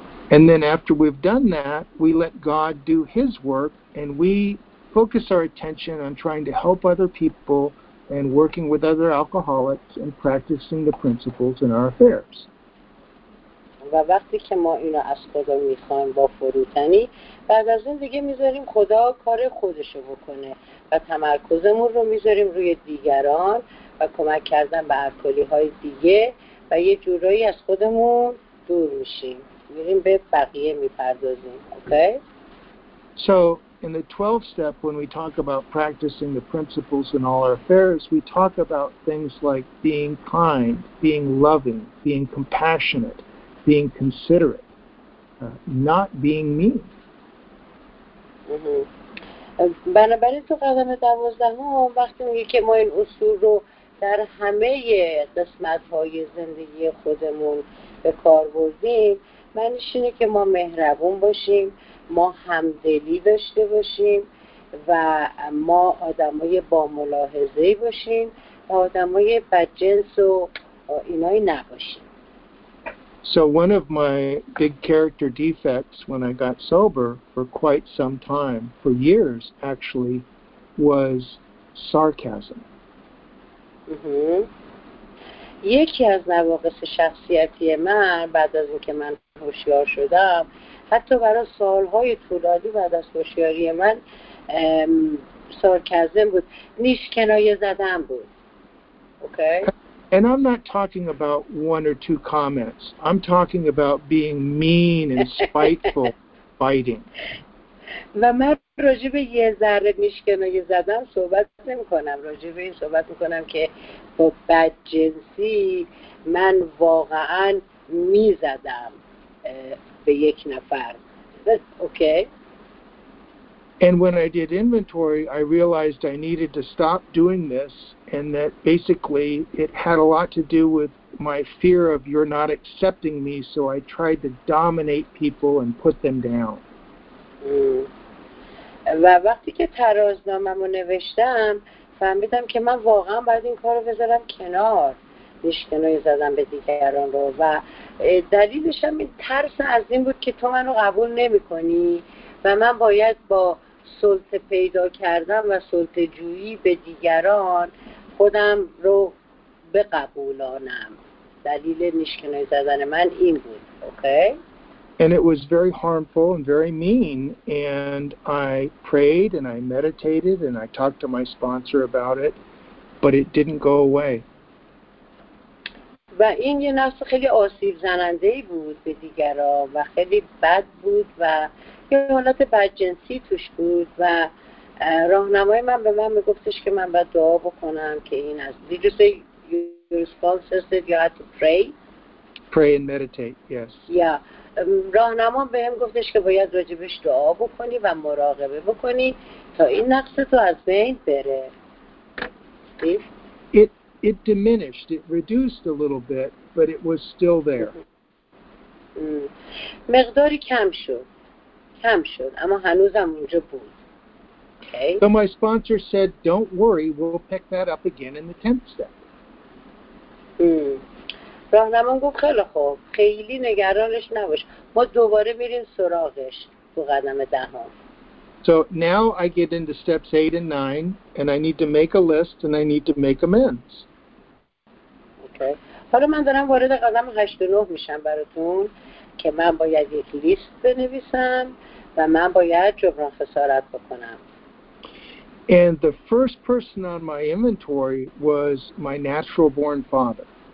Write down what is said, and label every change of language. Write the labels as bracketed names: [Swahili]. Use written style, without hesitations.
[English] And then after we've done that, we let God do his work and we focus our attention on trying to help other people and working with other alcoholics and practicing the principles in our affairs. [Persian] و وقتی که ما اینو از خدا میخوایم با فروتنی، بعد از اون دیگه میذاریم خدا کار خودشو بکنه و تمرکزمون رو میذاریم روی دیگران و کمک کردن به الکلی های دیگه و یه جورایی از خودمون دور میشیم، میریم به بقیه میپردازیم. [English] Okay? So in the 12th step, when we talk about practicing the principles in all our affairs, we talk about things like being kind, being loving, being compassionate, being considerate, not being mean. [Persian] بنابراین تو قدم 12 وقتی میگه که ما این اصول رو در همه قسمت‌های زندگی خودمون به کار بردیم، معنیش اینه که ما مهربون باشیم، ما همدلی داشته باشیم و ما آدم های با ملاحظه باشیم و آدم های بدجنس و اینایی نباشیم. [English] So one of my big character defects when I got sober for quite some time, for years actually, was sarcasm. [Persian] یکی از نواقص شخصیتی من بعد از اینکه من هوشیار شدم، حتی برای سالهای طولانی بعد از هوشیاری من، سارکازم بود، نیش کنایه زدن بود. [English] Okay? Okay. And I'm not talking about one or two comments. I'm talking about being mean and spiteful, biting. [Persian] و من راجع به یه ذره نیش کنایه زدن صحبت نمی کنم. راجع به این صحبت می کنم که با بدجنسی من واقعا می زدم به یک نفر. [English] Okay. And when I did inventory, I realized I needed to stop doing this, and that basically it had a lot to do with my fear of you're not accepting me, so I tried to dominate people and put them down. [Persian] و وقتی که ترازنامه‌مو نوشتم فهمیدم که من واقعا باید این کارو بذارم کنار، نشکنایی زدم به دیگران رو، و دلیلش هم این ترس از این بود که تو منو قبول نمی کنی و من باید با سلطه پیدا کردن و سلطه جویی به دیگران خودم رو بقبولانم. دلیل نشکنه زدن من این بود. [English] Okay? And it was very harmful and very mean, and I prayed and I meditated and I talked to my sponsor about it, but it didn't go away. [Persian] و این یه نفس خیلی آسیب زنندهی بود به دیگران و خیلی بد بود و یه حالت بدجنسی توش بود و راهنمای من به من میگفتش که من باید دعا بکنم که این از [English] Did you say your sponsor said you had to pray? Pray and meditate, yes. Yeah. [Persian] راهنما به هم گفتش که باید راجبش دعا بکنی و مراقبه بکنی تا این نقص تو از بین بره. [English] It diminished, it reduced a little bit, but it was still there. [Persian] مقداری کم شد اما هنوزم اونجا بود. [English] So my sponsor said, don't worry, we'll pick that up again in the 10th step. [Persian] راهنما گفت خیلی خوب، خیلی نگرانش نباش، ما دوباره میریم سراغش تو قدم دهم. [English] So now I get into steps 8 and 9 and I need to make a list and I need to make amends. [Persian] حالا من دارم وارد قدم 8 و 9 میشم براتون که من باید یک لیست بنویسم و من باید جبران خسارت بکنم. [English] And the first person on my inventory was my natural born father.